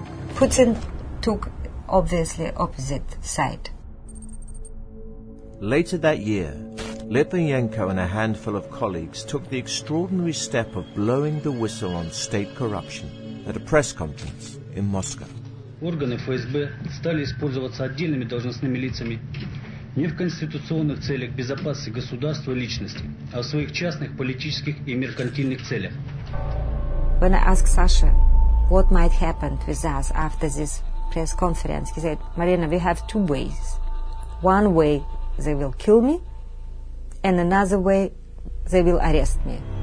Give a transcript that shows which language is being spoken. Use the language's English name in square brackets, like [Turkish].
[English] Putin took obviously opposite side. Later that year, Litvinenko and a handful of colleagues took the extraordinary step of blowing the whistle on state corruption at a press conference in Moscow. [Russian] Органы ФСБ стали использоваться отдельными должностными лицами. Не в конституционных целях безопасности государства и личности, а в своих частных политических и меркантильных целях. [English] When I asked Sasha what might happen with us after this press conference, he said, Marina, we have two ways. One way they will kill me, and another way they will arrest me.